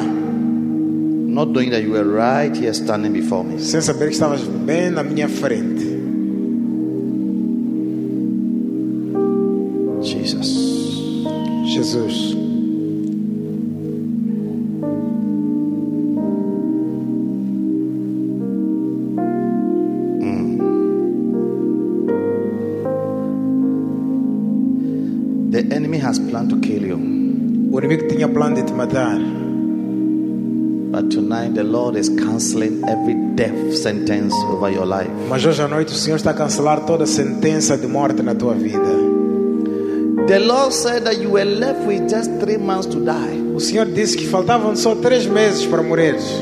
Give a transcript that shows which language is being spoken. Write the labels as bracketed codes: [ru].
[en] Not knowing that you were right here standing before me. [pt] Sem saber que estavas bem na minha frente. [en] Jesus. [pt] Jesus. [en] The enemy has planned to kill you. [pt] O inimigo tinha plano de te matar. [en] But tonight the Lord is canceling every death sentence over your life. [pt] Mas hoje à noite o Senhor está a cancelar toda a sentença de morte na tua vida. [en] The Lord said that you were left with just 3 months to die. [pt] O Senhor disse que faltavam só 3 meses para morrer.